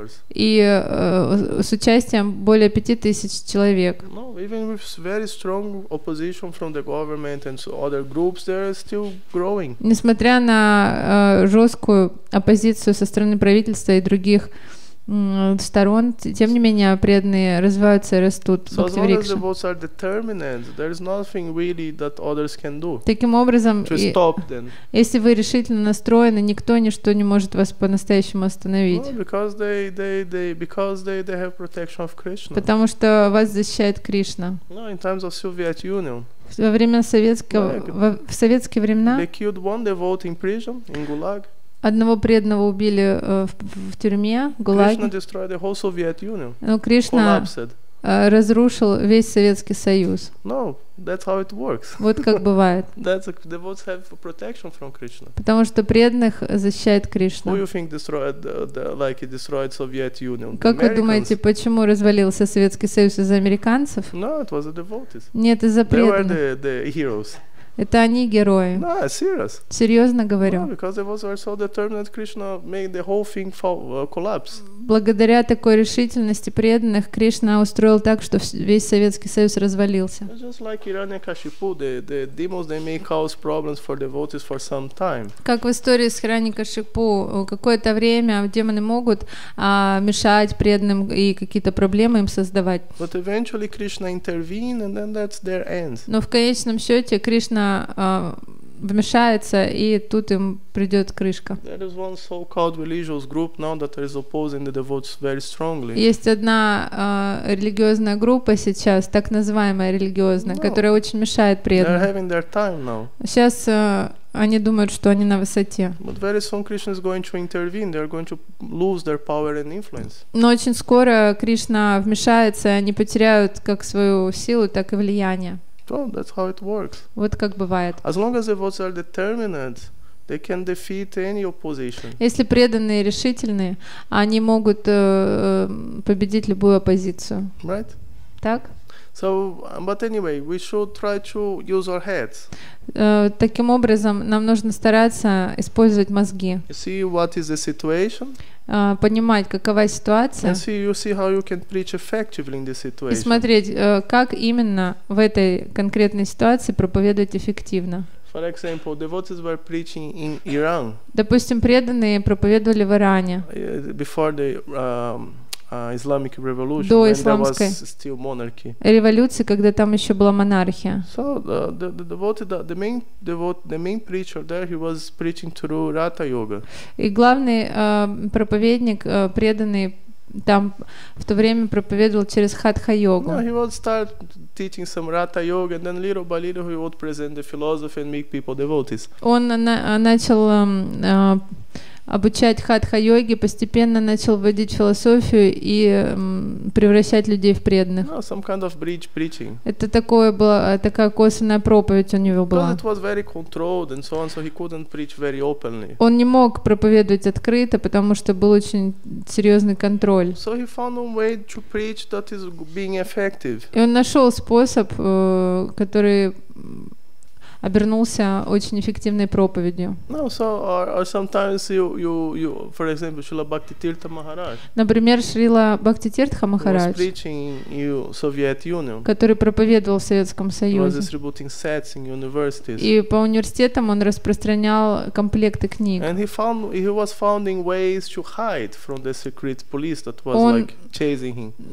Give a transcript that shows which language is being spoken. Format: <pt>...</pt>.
<ru>И с участием более 5000 человек.</ru> <en>No, even with very strong opposition from the government and other groups, they're still growing.</en> <ru>Несмотря на жесткую оппозицию со стороны правительства и других сторон, тем не менее преданные развиваются и растут.</ru> <en>So as long as the votes are determined, there is nothing really that others can do.</en> <ru>Таким образом,</ru> <en>to stop them.</en> <ru>Если вы решительно настроены, никто ничто не может вас по-настоящему остановить.</ru> <en>Well, because they have protection of Krishna.</en> <ru>Потому что вас защищает Кришна.</ru> <en>No, in times of Soviet Union.</en> <ru>Во время советского, в советские времена.</ru> <en>They killed one devotee in prison in Gulag.</en> <ru>Одного преданного убили в тюрьме, ГУЛАГе.</ru> <en>Krishna destroyed the whole Soviet Union.</en> <ru>Но Кришна разрушил весь Советский Союз.</ru> <en>No, that's how it works.</en> <ru>Вот как бывает.</ru> <en>That's a, the devotees have protection from Krishna.</en> <ru>Потому что преданных защищает Кришна.</ru> <en>Who you think destroyed like it destroyed Soviet Union?</en> <ru>Как вы думаете, почему развалился Советский Союз из-за американцев?</ru> <en>No, it was the devotees.</en> <ru>Нет, из-за преданных.</ru> <en>They were the heroes.</en> <ru>Это они герои.</ru> <en>No, serious.</en> <ru>Серьезно говорю.</ru> <en>No, because they were so determined, Krishna made the whole thing collapse.</en> <ru>Благодаря такой решительности преданных Кришна устроил так, что весь Советский Союз развалился.</ru> <en>It's just like Hiranyakashipu, the demons they may cause problems for devotees for some time.</en> <ru>Как в истории с Хираньякашипу, какое-то время демоны могут мешать преданным и какие-то проблемы им создавать.</ru> <en>But eventually Krishna intervened and then that's their end.</en> <ru>Но в конечном счете Кришна вмешается, и тут им придет крышка.</ru> <en>There is one so-called religious group now that is opposing the devotees very strongly.</en> <ru>Есть одна религиозная группа сейчас, так называемая религиозная, которая очень мешает преданным.</ru> <en>They're having their time now.</en> <ru>Сейчас они думают, что они на высоте.</ru> <en>But very soon Krishna is going to intervene. They are going to lose their power and influence.</en> <ru>Но очень скоро Кришна вмешается, и они потеряют как свою силу, так и влияние.</ru> <en>Well, that's how it works.</en> <ru>Вот как бывает.</ru> <en>As long as the votes are determined, they can defeat any opposition.</en> <ru>Если преданные решительные, они могут победить любую оппозицию.</ru> <en>Right?</en> <ru>Так?</ru> <en>So, but anyway, we should try to use our heads.</en> <ru>Таким образом, нам нужно стараться использовать мозги.</ru> <en>You see what is the situation?</en> <ru>Понимать, какова ситуация.</ru> <en>And see, you see how you can preach effectively in this situation.</en> <ru>И смотреть, как именно в этой конкретной ситуации проповедовать эффективно.</ru> <en>For example, devotees were preaching in Iran.</en> <ru>Допустим, преданные проповедовали в Иране.</ru> <en>Before the Islamic revolution,</en> <ru>до</ru> <en>when</en> <ru>исламской</ru> <en>there was still monarchy.</en> <ru>Революции, когда там еще была монархия.</ru> <en>So the main preacher there, he was preaching through Ratha Yoga.</en> <ru>И главный проповедник, преданный там в то время проповедовал через Хатха Йогу.</ru> <en>No, he would start teaching some Ratha Yoga, and then little by little he would present the philosophy and make people devotees.</en> <ru>Он начал обучать хатха-йоги, постепенно начал вводить философию и превращать людей в преданных.</ru> <en>No, some kind of bridge preaching.</en> <ru>Это такое было, такая косвенная проповедь у него была.</ru> <en>It was very controlled and so on, so he couldn't preach very openly.</en> <ru>Он не мог проповедовать открыто, потому что был очень серьезный контроль.</ru> <en>So he found a way to preach that is being effective.</en> <ru>И он нашел способ, который обернулся очень эффективной проповедью.</ru> <en>No, so or sometimes you for example Шрила Бхакти Тиртха Махарадж.</en> <ru>Например, Шрила Бхакти Тиртха Махарадж.</ru> <en>Was preaching in Soviet Union.</en> <ru>Который проповедовал в Советском Союзе.</ru> <en>Was distributing sets in universities.</en> <ru>И по университетам он распространял комплекты книг.</ru> <en>And he was finding ways to hide from the secret police that was like chasing him.</en>